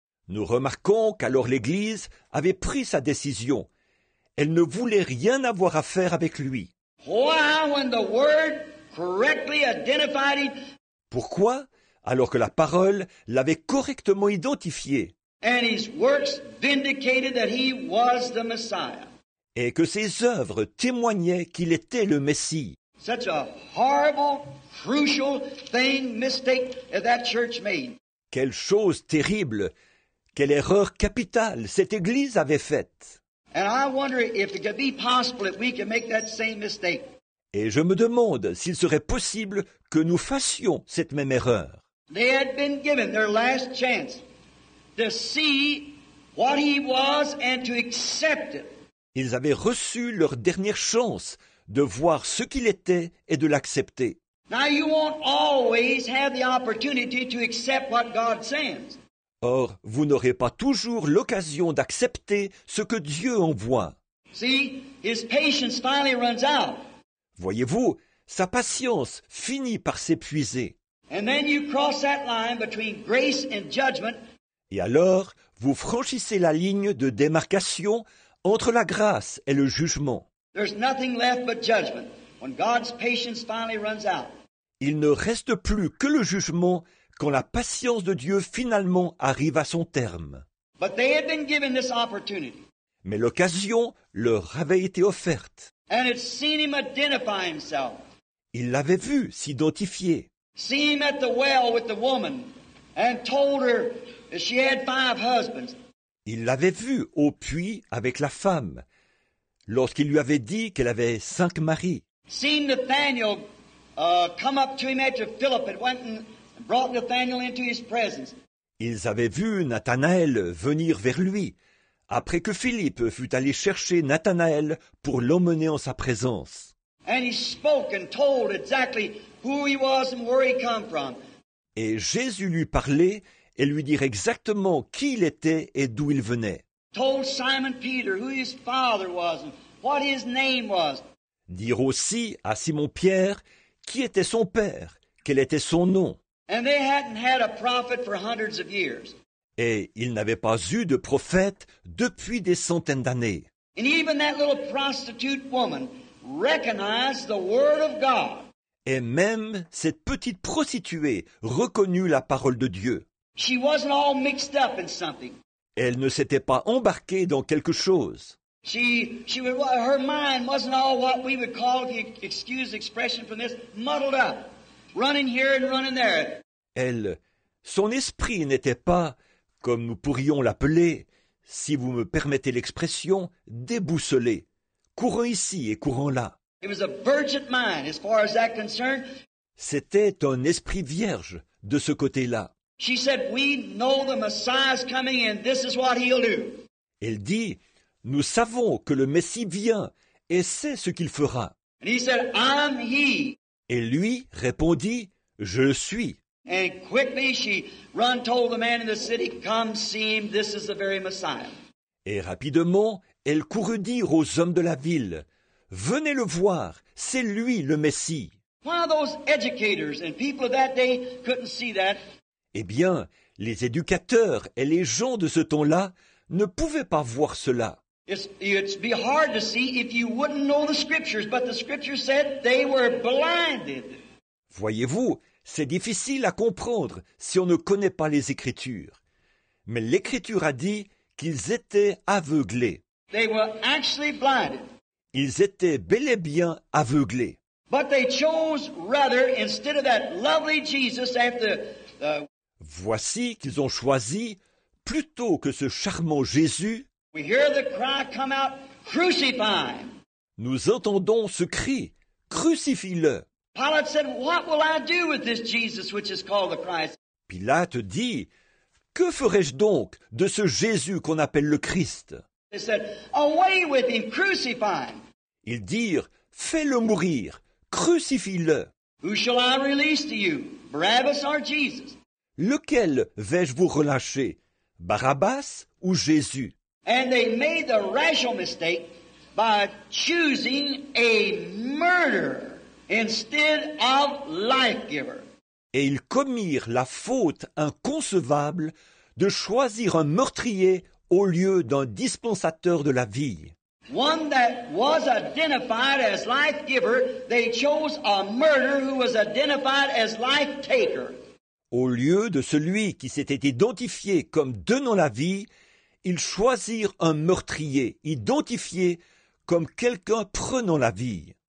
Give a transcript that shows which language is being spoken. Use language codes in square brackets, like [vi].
[fr] Nous remarquons qu'alors l'Église avait pris sa décision. Elle ne voulait rien avoir à faire avec lui. [en] Why, when the word correctly identified him? [fr] Pourquoi, alors que la parole l'avait correctement identifié? [en] And his works vindicated that he was the Messiah. [fr] Et que ses œuvres témoignaient qu'il était le Messie. [en] Such a horrible, crucial thing, mistake that church made. [fr] Quelle chose terrible, quelle erreur capitale cette église avait faite. [en] And I wonder if it could be possible that we could make that same mistake. [fr] Et je me demande s'il serait possible que nous fassions cette même erreur. [en] They had been given their last chance to see what he was and to accept it. [fr] Ils avaient reçu leur dernière chance de voir ce qu'il était et de l'accepter. [en] Now you won't always have the opportunity to accept what God sends. [fr] Or, vous n'aurez pas toujours l'occasion d'accepter ce que Dieu envoie. [en] See, his patience finally runs out. [fr] Voyez-vous, sa patience finit par s'épuiser. [en] And then you cross that line between grace and judgment. [fr] Et alors, vous franchissez la ligne de démarcation entre la grâce et le jugement. [en] There's nothing left but judgment when God's patience finally runs out. [fr] Il ne reste plus que le jugement quand la patience de Dieu finalement arrive à son terme. [en] But they had been given this opportunity. [fr] Mais l'occasion leur avait été offerte. [en] And it seen him identify himself. [fr] Il l'avait vu s'identifier. [en] See him at the well with the woman and told her she had five husbands. [fr] Il l'avait vu au puits avec la femme, lorsqu'il lui avait dit qu'elle avait cinq maris. [en] Seen Nathaniel come up to him after Philip had went and brought Nathaniel into his presence. [fr] Ils avaient vu Nathanaël venir vers lui après que Philippe fut allé chercher Nathanaël pour l'emmener en sa présence. [en] And he spoke and told exactly who he was and where he come from. [fr] Et Jésus lui parlait et lui dire exactement qui il était et d'où il venait. [en] Told Simon Peter who his father was and what his name was. [fr] Dire aussi à Simon Pierre qui était son père, quel était son nom. [en] And they hadn't had a prophet for hundreds of years. [fr] Et il n'avait pas eu de prophète depuis des centaines d'années. [en] And even that little prostitute woman recognized the word of God. [fr] Et même cette petite prostituée reconnut la parole de Dieu. [en] She wasn't all mixed up in something. [fr] Elle ne s'était pas embarquée dans quelque chose. [en] She would, her mind wasn't all what we would call, if you excuse the expression from this, muddled up, running here and running there. [fr] Elle, son esprit n'était pas, comme nous pourrions l'appeler, si vous me permettez l'expression, déboussolé, courant ici et courant là. [en] It was a virgin mind, as far as that concerned. [fr] C'était un esprit vierge de ce côté-là. [en] She said, "We know the Messiah's coming, and this is what he'll do." [fr] Elle dit, nous savons que le Messie vient, et c'est ce qu'il fera. [en] And he said, "I'm he." [fr] Et lui répondit, je le suis. [en] And quickly she run told the man in the city, "Come see him. This is the very Messiah." [fr] Et rapidement, elle courut dire aux hommes de la ville, venez le voir, c'est lui le Messie. [en] Why those educators and people of that day couldn't see that? [fr] Eh bien, les éducateurs et les gens de ce temps-là ne pouvaient pas voir cela. [en] It's be hard to see if you wouldn't know the scriptures, but the scriptures said they were blinded. [fr] Voyez-vous, c'est difficile à comprendre si on ne connaît pas les Écritures. Mais l'Écriture a dit qu'ils étaient aveuglés. [en] They were actually blinded. [fr] Ils étaient bel et bien aveuglés. [en] But they chose rather, instead of that lovely Jesus after the... [fr] Voici qu'ils ont choisi, plutôt que ce charmant Jésus, [en] we hear the cry come out, crucify. [fr] Nous entendons ce cri, crucifie-le. [en] Pilate said, what will I do with this Jesus which is called the Christ? [fr] Pilate dit, que ferai-je donc de ce Jésus qu'on appelle le Christ? [en] They said, away with him, crucify. [fr] Ils dirent, fais-le mourir, crucifie-le. [en] Who shall I release to you, Barabbas or Jesus? [fr] Lequel vais-je vous relâcher, Barabbas ou Jésus? [en] And they made the rational mistake by choosing a murderer instead of life-giver. [fr] Et ils commirent la faute inconcevable de choisir un meurtrier au lieu d'un dispensateur de la vie. [en] One that was identified as life-giver, they chose a murderer who was identified as life-taker. [fr] Au lieu de celui qui s'était identifié comme donnant la vie, ils choisirent un meurtrier identifié comme quelqu'un prenant la vie.